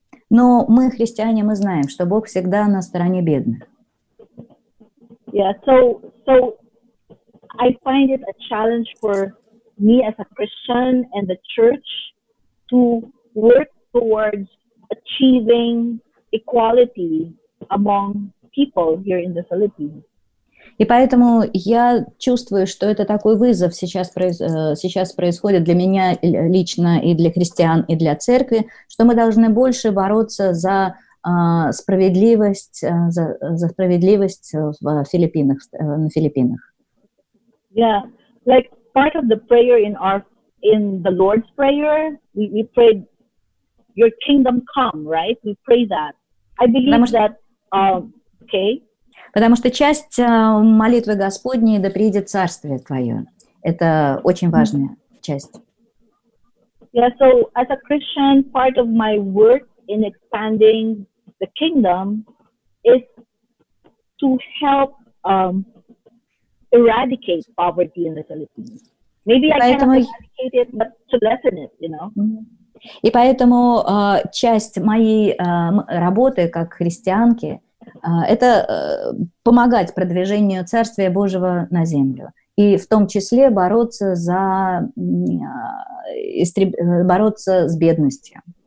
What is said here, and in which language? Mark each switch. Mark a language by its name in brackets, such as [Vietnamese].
[Russian] Но мы, христиане, мы знаем, что Бог всегда на стороне бедных. [English] Yeah, so I find it a challenge for me as a Christian and the church to work towards achieving equality among people here in the Philippines. [Russian] И поэтому я чувствую, что это такой вызов сейчас, сейчас происходит для меня лично и для христиан, и для церкви, что мы должны больше бороться за справедливость, за справедливость в Филиппинах, на Филиппинах. [English] Yeah, like part of the prayer in our in the Lord's Prayer, we prayed your kingdom come, right? We pray that. I believe that okay. [Russian] Потому что часть молитвы Господней да придет царствие твое. Это очень важная часть. [English] Yeah, so as a Christian, part of my work in expanding the kingdom is to help eradicate poverty in the Philippines. Maybe I cannot eradicate it, but to lessen it, you know. [Russian] И поэтому часть моей работы как христианки это помогать продвижению Царствия Божьего на землю. И в том числе бороться за бороться с бедностью.